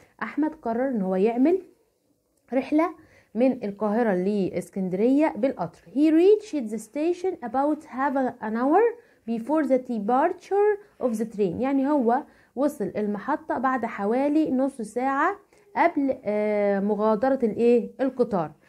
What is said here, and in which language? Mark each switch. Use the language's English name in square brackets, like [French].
[Arabic] احمد قرر ان هو يعمل رحلة من القاهرة لإسكندرية بالقطر. [English] he reached the station about half an hour before the departure of the train. [Arabic] يعني هو وصل المحطة بعد حوالي نص ساعة قبل مغادرة القطار.